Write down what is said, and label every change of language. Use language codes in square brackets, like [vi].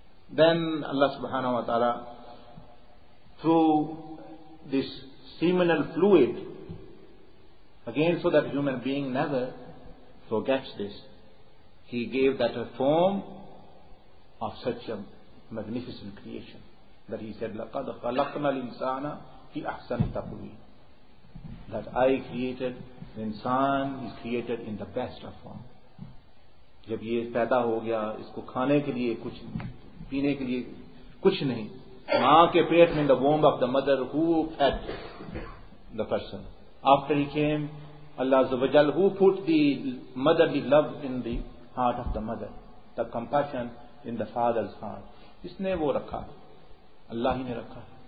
[en] Then Allah subhanahu wa ta'ala, through this seminal fluid, again so that human being never forgets this, He gave that a form of such a magnificent creation, that He said, [ar] لَقَدْ خَلَقْنَا الْإِنسَانَ فِي أَحْسَنِ تَقْوِيمٍ, [en] that I created the insan, is created in the best of form. [ur] جب یہ پیدا ہو گیا اس کو کھانے کے لیے کچھ, پینے کے لیے کچھ نہیں. ماں کے پیٹ میں, [en] the womb of the mother, who fed the person. After he came, Allah عز و جل, who put the motherly love in the heart of the mother, the compassion in the father's heart. [ur] اس نے وہ رکھا, اللہ ہی نے رکھا.